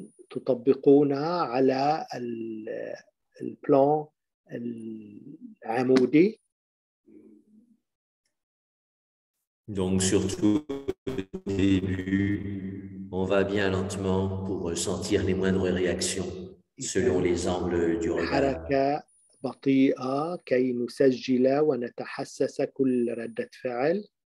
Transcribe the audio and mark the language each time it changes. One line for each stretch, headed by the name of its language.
Arabic: تطبقون على البلان العمودي.
French: Donc surtout au début, on va bien lentement pour sentir les moindres réactions selon les angles du regard.
Arabic: حركة بطيئة كي نسجل ونتحسس كل ردة فعل.